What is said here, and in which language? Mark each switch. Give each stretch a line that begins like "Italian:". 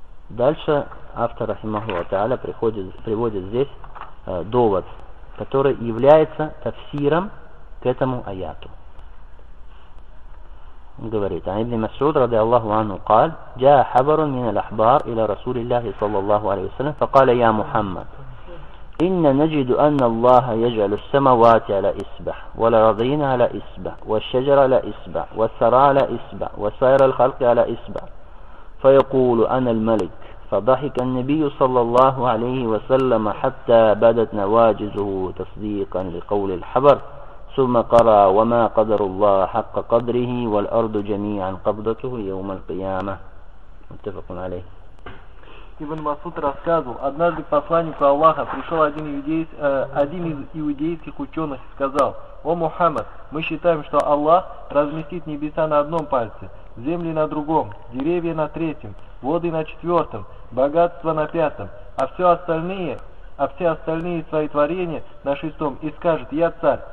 Russian: Дальше автор Рахимахуллах Та'аля приводит здесь довод, который является тафсиром к этому аяту. Говорит,
Arabic: «Ан ибн Масуд ради Аллаху анху кал, джаа хабарун мин аль-ахбар иля Расулиллахи саллаллаху алейхи ва саллям, факаля я Мухаммад». إن نجد أن الله يجعل السماوات على إصبع والأرضين على إصبع والشجر على إصبع والثرى على إصبع وسائر الخلق على إصبع فيقول أنا الملك فضحك النبي صلى الله عليه وسلم حتى بدت نواجذه تصديقا لقول الحبر ثم قرأ وما قدر الله حق قدره والأرض جميعا قبضته يوم القيامة متفق عليه.
Russian: Ибн Масуд рассказывал, однажды к посланнику Аллаха пришел один из иудейских ученых и сказал: «О Мухаммад, мы считаем, что Аллах разместит небеса на одном пальце, земли на другом, деревья на третьем, воды на четвертом, богатство на пятом, а все остальные свои творения на шестом, и скажет: «Я царь».